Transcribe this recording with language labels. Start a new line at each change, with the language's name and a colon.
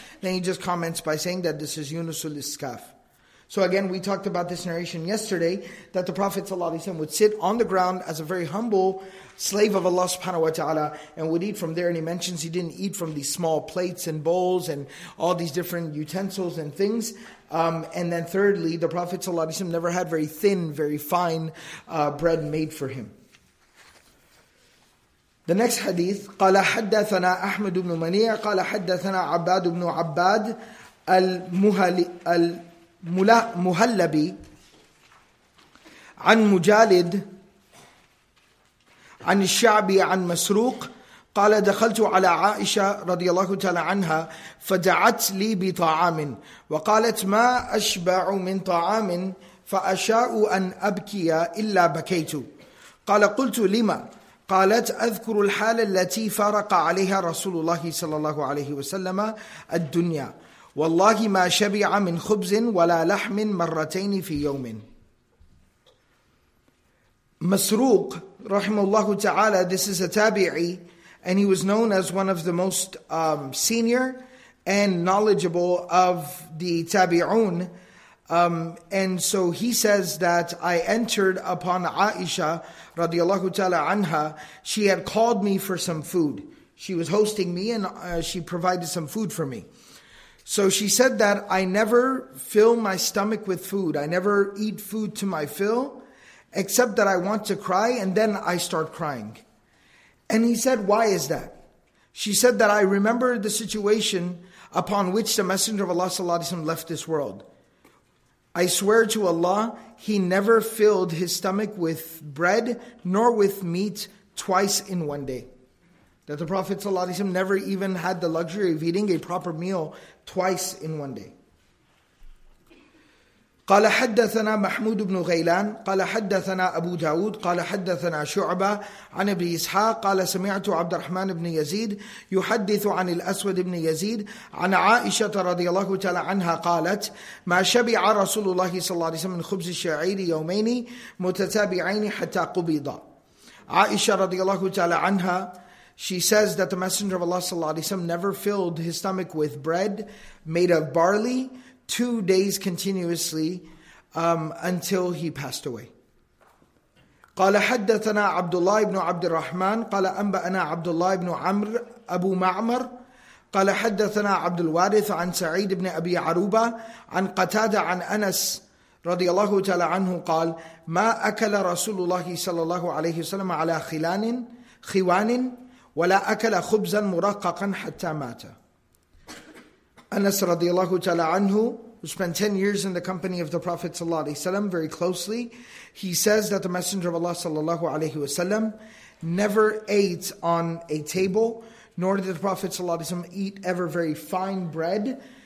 English: Then he just comments by saying that this is Yunus al-Iskafi. So again, we talked about this narration yesterday, that the Prophet ﷺ would sit on the ground as a very humble slave of Allah subhanahu wa ta'ala and would eat from there. And he mentions he didn't eat from these small plates and bowls and all these different utensils and things. And then thirdly, the Prophet ﷺ never had very thin, very fine bread made for him. The next hadith,
Arabic: قَالَ حَدَّثَنَا أَحْمَدُ بْنُ مَنِيعَ قَالَ حَدَّثَنَا عَبَّادُ بْنُ عَبَّادِ المهلبي عن مجالد عن الشعبي عن مسروق قال دخلت على عائشة رضي الله تعالى عنها فدعت لي بطعام وقالت ما أشبع من طعام فأشاء أن أبكي إلا بكيت قال قلت لما قالت أذكر الحال التي فارق عليها رسول الله صلى الله عليه وسلم الدنيا وَاللَّهِ مَا شَبِعَ مِنْ خُبْزٍ وَلَا لَحْمٍ مَرَّتَيْنِ فِي يَوْمٍ.
English: Masruq, rahimahullah ta'ala, this is a tabi'i, and he was known as one of the most senior and knowledgeable of the tabi'un. And so he says that I entered upon Aisha, radiallahu ta'ala anha, she had called me for some food. She was hosting me and she provided some food for me. So she said that I never fill my stomach with food. I never eat food to my fill, except that I want to cry, and then I start crying. And he said, why is that? She said that I remember the situation upon which the Messenger of Allah sallallahu alaihi wasallam left this world. I swear to Allah, he never filled his stomach with bread nor with meat twice in one day. That the Prophet sallallahu alaihi wasallam never even had the luxury of eating a proper meal twice in one day.
Arabic: قال حدثنا محمود بن غيلان قال حدثنا أبو داود قال حدثنا شعبة عن ابن إسحاق قال سمعت عبد الرحمن بن يزيد يحدث عن الأسود بن يزيد عن عائشة رضي الله تعالى عنها قالت ما شبع رسول الله صلى الله عليه وسلم من خبز الشعير يومين متتابعين حتى قبض. عائشة رضي الله تعالى عنها,
English: she says that the Messenger of Allah sallallahu alaihi wasallam never filled his stomach with bread made of barley 2 days continuously until he passed away.
Arabic: قال حدثنا عبد الله بن عبد الرحمن قال أنبأنا عبد الله بن عمرو أبو معمر قال حدثنا عبد الوارث عن سعيد بن أبي عروبة عن قتادة عن أنس رضي الله تعالى عنه قال ما أكل رسول الله صلى الله عليه وسلم على خوان ولا أكل خبزا مرققا حتى مات.
English: Anas radiallahu ta'ala anhu, who spent 10 years in the company of the Prophet sallallahu alaihi wasallam very closely, he says that the Messenger of Allah sallallahu alaihi wasallam never ate on a table, nor did the Prophet sallallahu alaihi wasallam eat ever very fine bread.